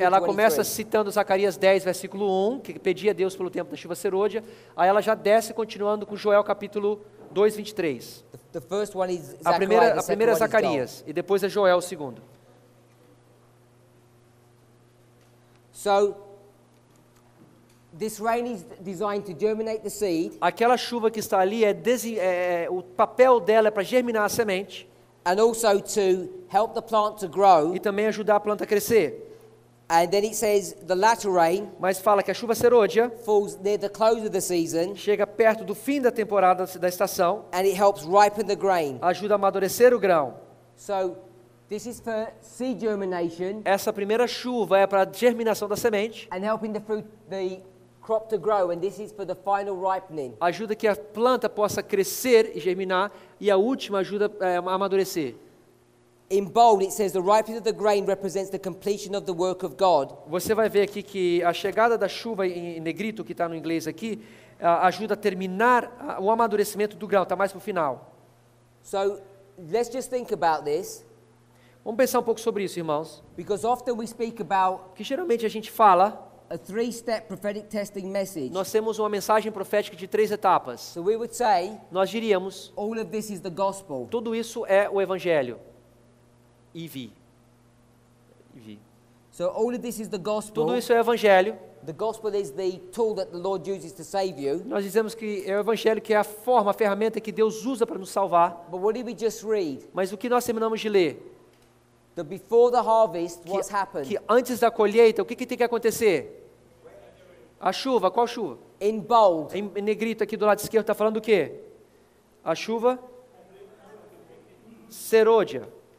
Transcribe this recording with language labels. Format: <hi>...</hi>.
<pt>Ela começa citando Zacarias 10, versículo 1, que pedia a Deus pelo tempo da chuva serôdia. Aí ela já desce, continuando com Joel capítulo 2, 23.</pt> <en>The first one is Zechariah.</en> <pt>A primeira é Zacarias e depois é Joel o segundo.</pt> <en>So, this rain is designed to germinate the seed.</en> <pt>Aquela chuva que está ali o papel dela é para germinar a semente.</pt> <en>And also to help the plant to grow.</en> <pt>E também ajudar a planta a crescer.</pt> <en>And then it says the latter rain.</en> <pt>Mas fala que a chuva serôdia</pt> <en>falls near the close of the season.</en> <pt>Chega perto do fim da temporada da estação.</pt> <en>And it helps ripen the grain.</en> <pt>Ajuda a amadurecer o grão.</pt> <en>So, this is for seed germination.</en> <pt>Essa primeira chuva é para a germinação da semente.</pt> <en>And helping the fruit, the crop to grow, and this is for the final ripening.</en> <pt>Ajuda que a planta possa crescer e germinar, e a última ajuda a amadurecer.</pt> <en>In bold, it says the ripening of the grain represents the completion of the work of God.</en> <pt>Você vai ver aqui que a chegada da chuva em negrito que está no inglês aqui ajuda a terminar o amadurecimento do grão. Está mais para o final.</pt> <en>So, let's just think about this.</en> <pt>Vamos pensar um pouco sobre isso, irmãos.</pt> <en>Because often we speak about</en> <pt>que geralmente a gente fala</pt> <en>a three-step prophetic testing message.</en> <pt>Nós temos uma mensagem profética de três etapas.</pt> <en>So we would say,</en> <pt>nós diríamos,</pt> <en>all of this is the gospel.</en> <pt>Tudo isso é o evangelho. E vi.</pt> <en>So all of this is the gospel.</en> <pt>Tudo isso é evangelho.</pt> <en>The gospel is the tool that the Lord uses to save you.</en> <pt>Nós dizemos que é o evangelho que é a forma, a ferramenta que Deus usa para nos salvar.</pt> <en>But what did we just read?</en> <pt>Mas o que nós terminamos de ler?</pt> <en>That before the harvest, what's happened?</en> <pt>Que antes da colheita, o que, que tem que acontecer? A chuva, qual chuva?</pt> <en>In bold.</en> <pt>Em negrito aqui do lado esquerdo está falando o quê? A chuva? Serôdia.</pt>